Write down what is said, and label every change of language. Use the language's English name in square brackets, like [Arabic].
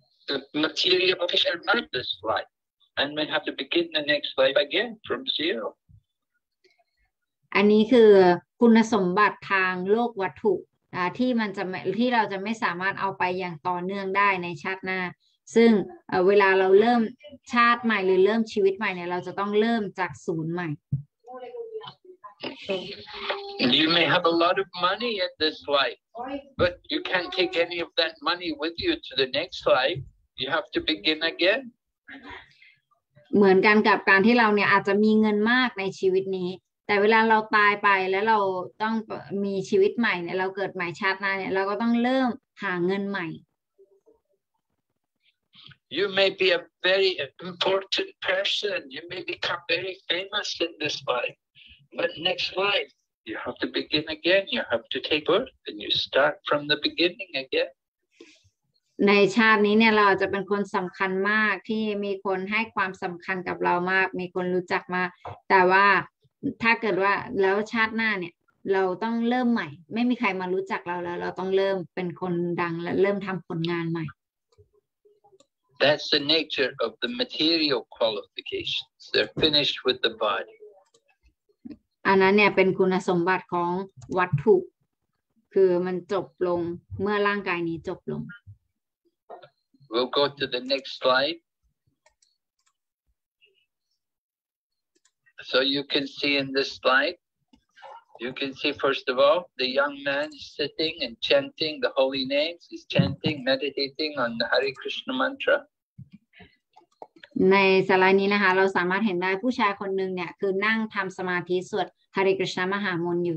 [English] The material of this life, and we have to begin the next life again from zero. [Thai] อันนี้คือคุณสมบัติทางโลกวัตถุที่มันจะที่เราจะไม่สามารถเอาไปอย่างต่อเนื่องได้ในชาติหน้าซึ่งเวลาเราเริ่มชาติใหม่หรือเริ่มชีวิตใหม่เนี่ยเราจะต้องเริ่มจากศูนย์ใหม่ [English] You may have a lot of money at this life. But you can't take any of that money with you to the next life. You have to begin again. [Thai] เหมือนกันกับการที่เราเนี่ยอาจจะมีเงินมากในชีวิตนี้แต่เวลาเราตายไปแล้วเราต้องมีชีวิตใหม่เนี่ยเราเกิดใหม่ชาติหน้าเนี่ยเราก็ต้องเริ่มหาเงินใหม่ [English] You may be a very important person. You may become very famous in this life. But next life. You have to begin again. You have to take birth, and you start from the beginning again. [Thai] ในชาตินี้เนี่ยเราจะเป็นคนสำคัญมากที่มีคนให้ความสำคัญกับเรามากมีคนรู้จักมาแต่ว่าถ้าเกิดว่าแล้วชาติหน้าเนี่ยเราต้องเริ่มใหม่ไม่มีใครมารู้จักเราแล้วเราต้องเริ่มเป็นคนดังและเริ่มทำผลงานใหม่ [English] That's the nature of the material qualifications. They're finished with the body. [Thai] อันนั้นเนี่ยเป็นคุณสมบัติของวัตถุคือมันจบลงเมื่อร่างกายนี้จบลง [English] We'll go to the next slide. So you can see in this slide, you can see first of all, the young man is sitting and chanting the holy names. He's chanting, meditating on the Hare Krishna mantra. [Thai] ในสไลด์นี้นะคะเราสามารถเห็นได้ผู้ชายคนหนึ่งเนี่ยคือนั่งทำสมาธิสวดฮาริคริชนามหามนต์อยู